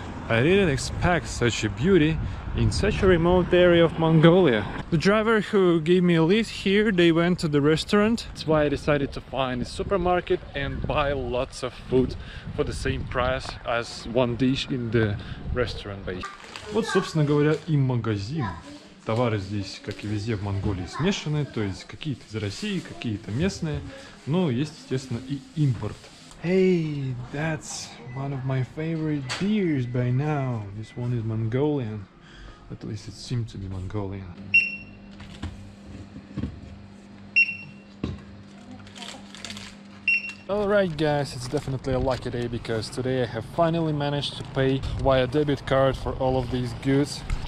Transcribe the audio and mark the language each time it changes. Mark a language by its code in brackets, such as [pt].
[en] I didn't expect such a beauty in such a remote area of Mongolia. The driver who gave me a lift here, they went to the restaurant. That's why I decided to find a supermarket and buy lots of food for the same price as one dish in the restaurant. [ru] Вот, собственно говоря, и магазин. Товары здесь, как и везде в Монголии, смешаны, то есть какие-то из России, какие-то местные, но есть, естественно, и импорт. [en] Hey, that's one of my favorite beers by now. This one is Mongolian. At least it seems to be Mongolian. Alright guys, it's definitely a lucky day because today I have finally managed to pay via debit card for all of these goods.